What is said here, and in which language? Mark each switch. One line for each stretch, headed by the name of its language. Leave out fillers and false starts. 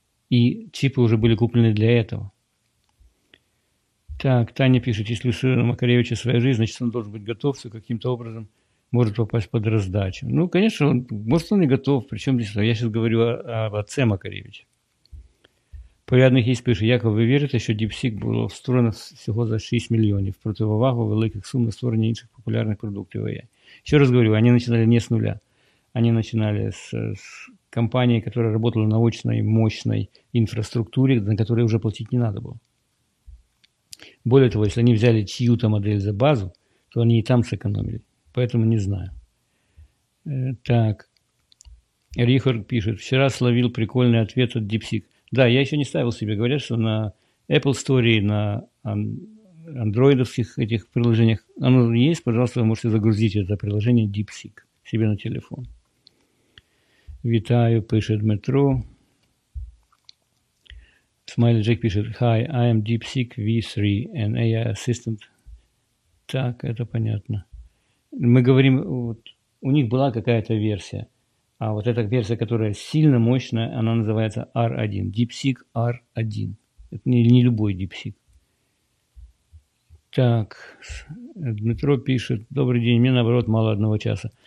Russian: И чипы уже были куплены для этого. Так, Таня пишет: «Если у сына Макаревича своя жизнь, значит, он должен быть готов, все каким-то образом может попасть под раздачу». Ну, конечно, он и готов, причем здесь, я сейчас говорю об отце Макаревича. Порядных есть, пишет: «Яков, вы верите,
Ukrainian: що DeepSeek було створено всього за 6 мільйонів, противовагу великих сум на створення інших популярних продуктів AI».
Russian: Еще раз говорю, они начинали не с нуля. Они начинали с компании, которая работала на очной, мощной инфраструктуре, на которой уже платить не надо было. Более того, если они взяли чью-то модель за базу, то они и там сэкономили. Поэтому не знаю. Так. Рихард пишет: «Вчера словил прикольный ответ от DeepSeek». Да, я еще не ставил себе. Говорят, что на Apple Store, на андроидовских этих приложениях оно есть. Пожалуйста, вы можете загрузить это приложение DeepSeek себе на телефон. «Витаю», пишет Метро.
English: Смайли Джек пишет: «Hi, I am DeepSeek V3, an AI assistant».
Russian: Так, это понятно. Мы говорим, вот у них была какая-то версия, а вот эта версия, которая сильно мощная, она называется R1, DeepSeek R1. Это не любой DeepSeek. Так, Дмитро пишет: «Добрый день, мне наоборот мало одного часа.